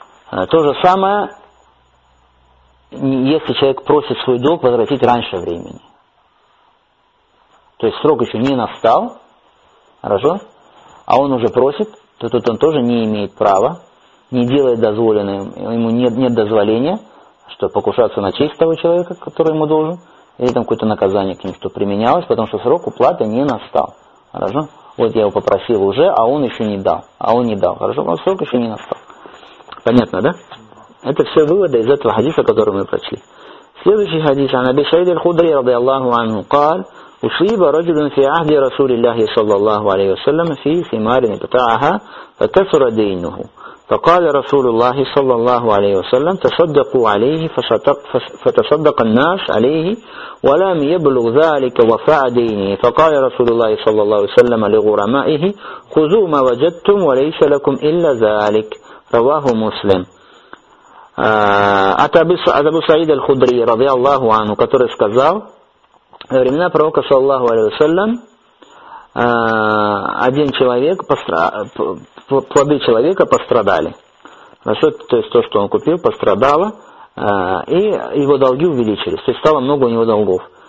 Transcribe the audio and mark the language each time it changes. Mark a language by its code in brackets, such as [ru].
[ru] То же самое. Если человек просит свой долг возвратить раньше времени, то есть срок еще не настал, хорошо, а он уже просит, то тут он тоже не имеет права, не делает дозволенным, ему нет дозволения, что покушаться на честь того человека, который ему должен, или там какое-то наказание к нему, что применялось, потому что срок уплаты не настал, хорошо. Вот я его попросил уже, а он не дал, хорошо, но срок еще не настал. Понятно, да? Это все выводы из этого хадиса, который мы прочли. Следующий хадис. [ar] عن أبي سعيد الخدري رضي الله عنه قال: أصيب رجل في عهد رسول الله صلى الله عليه وسلم في ثمار ابتاعها فكثر دينه. فقال رسول الله صلى الله عليه وسلم: تصدقوا عليه فتصدق الناس عليه ولم يبلغ ذلك وفاء دينه. فقال رسول الله صلى الله عليه وسلم لغرمائه: خذوا ما وجدتم وليس لكم إلا ذلك. رواه مسلم. [ru] От Абу Саида Аль-Худри, ради Аллаху Ану, который сказал, во времена пророка, саллаху алейхи вассалям, один человек, плоды человека пострадали. Хорошо, то есть то, что он купил, пострадало, и его долги увеличились, то есть стало много у него долгов.